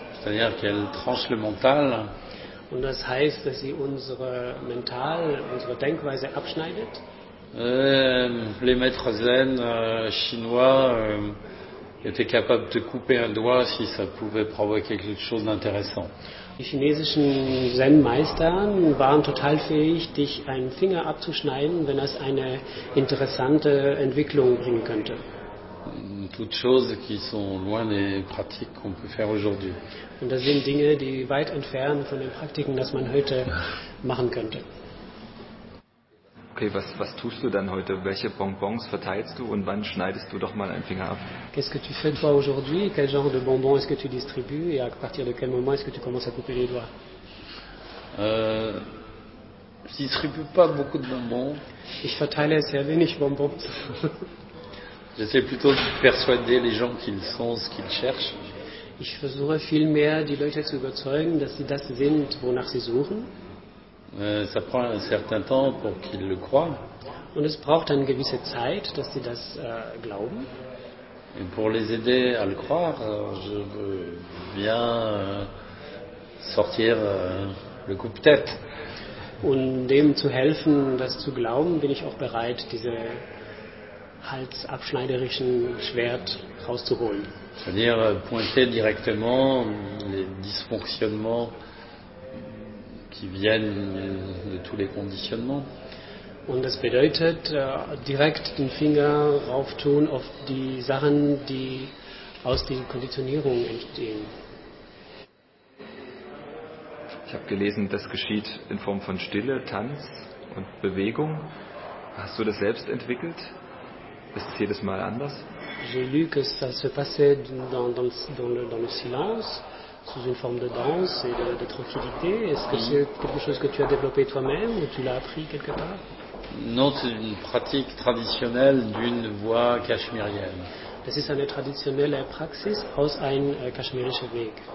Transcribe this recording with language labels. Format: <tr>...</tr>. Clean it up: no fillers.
<fr>C'est-à-dire qu'elle tranche le mental.</fr> <de>Und das heißt, dass sie unsere Mental, unsere Denkweise abschneidet.</de> <fr>Les maîtres zen chinois étaient capables de couper un doigt si ça pouvait provoquer quelque chose d'intéressant.</fr> <de>Die chinesischen Zen-Meister waren total fähig, dich einen Finger abzuschneiden, wenn das eine interessante Entwicklung bringen könnte.</de> <fr>Toutes choses qui sont loin des pratiques qu'on peut faire aujourd'hui.</fr> <de>Und das sind Dinge, die weit entfernt von den Praktiken, das man heute machen könnte. Okay, was tust du dann heute? Welche Bonbons verteilst du und wann schneidest du doch mal einen Finger ab?</de> <fr>Qu'est-ce que tu fais toi aujourd'hui? Quel genre de bonbons est-ce que tu distribues? Et à partir de quel moment est-ce que tu commences à couper les doigts? Je distribue pas beaucoup de bonbons.</fr> <de>Ich verteile sehr wenig Bonbons.</de> <fr>J'essaie plutôt de persuader les gens qu'ils sont ce qu'ils cherchent.</fr> <de>Ich versuche vielmehr die Leute zu überzeugen, dass sie das sind, wonach sie suchen.</de> <fr>Ça prend un certain temps pour qu'ils le croient.</fr> <de>Und es braucht eine gewisse Zeit, dass sie das glauben.</de> <fr>Et pour les aider à le croire, je veux bien sortir le coupe-tête.</fr> <de>Und dem zu helfen, das zu glauben, bin ich auch bereit, diese halsabschneiderischen Schwert rauszuholen.</de> <fr>C'est-à-dire pointer directement les dysfonctionnements qui viennent de tous les conditionnements.</fr> <de>Und das bedeutet, direkt den Finger rauftun auf die Sachen, die aus den Konditionierungen entstehen. Ich habe gelesen, das geschieht in Form von Stille, Tanz und Bewegung. Hast du das selbst entwickelt? Ist es jedes Mal anders?</de> <fr>J'ai lu que ça se passait dans le silence, sous une forme de danse et de tranquillité. Est-ce que c'est quelque chose que tu as développé toi-même ou tu l'as appris quelque part? Non, c'est une pratique traditionnelle d'une voie cachemirienne.</fr> <de>Das ist eine traditionelle Praxis aus einem kaschmirischen Weg.</de>